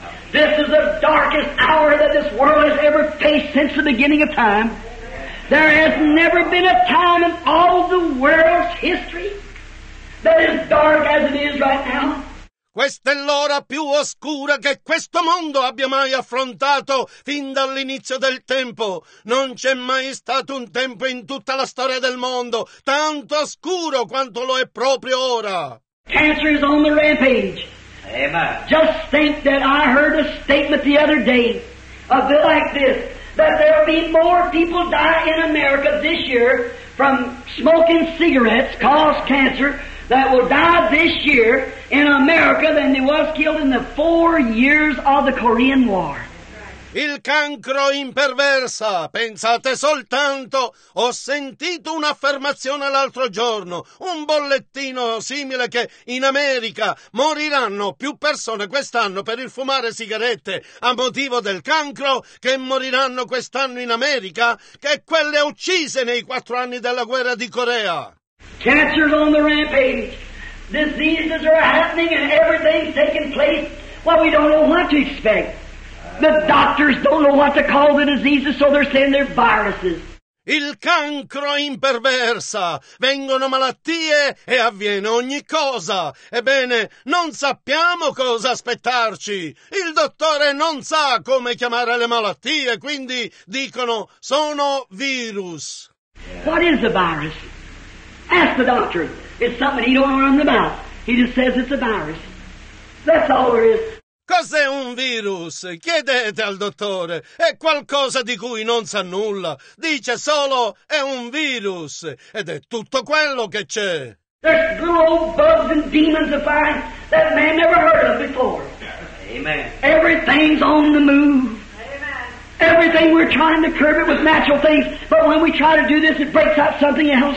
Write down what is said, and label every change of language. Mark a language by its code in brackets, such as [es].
[en] This is the darkest hour that this world has ever faced since the beginning of time. There has never been a time in all the world's history that is dark as it is right now. [it] Questa è l'ora più oscura che questo mondo abbia mai affrontato fin dall'inizio del tempo. Non c'è mai stato un tempo in tutta la storia del mondo tanto oscuro quanto lo è proprio ora. [en] Cancer is on the rampage. Amen. Just think that I heard a statement the other day, a bit like this. That there will be more people die in America this year from smoking cigarettes, cause cancer, that will die this year in America than there was killed in the 4 years of the Korean War. [it] Il cancro imperversa, pensate soltanto, ho sentito un'affermazione l'altro giorno, un bollettino simile che in America moriranno più persone quest'anno per il fumare sigarette a motivo del cancro che moriranno quest'anno in America che quelle uccise nei 4 anni della guerra di Corea. [en] Cancer's on the rampage, diseases are happening and everything's taking place, well we don't know what to expect. The doctors don't know what to call the diseases, so they're saying they're viruses. [it] Il cancro imperversa. Vengono malattie e avviene ogni cosa. Ebbene, non sappiamo cosa aspettarci. Il dottore non sa come chiamare le malattie, quindi dicono sono virus. [en] What is a virus? Ask the doctor. It's something he don't run the mouth. He just says it's a virus. That's all there is. [it] Cos'è un virus? Chiedete al dottore. È qualcosa di cui non sa nulla. Dice solo, è un virus. Ed è tutto quello che c'è. [en] There's little old bugs and demons of fire that man never heard of before. Amen. Everything's on the move. Amen. Everything, we're trying to curb it with natural things. But when we try to do this, it breaks out something else.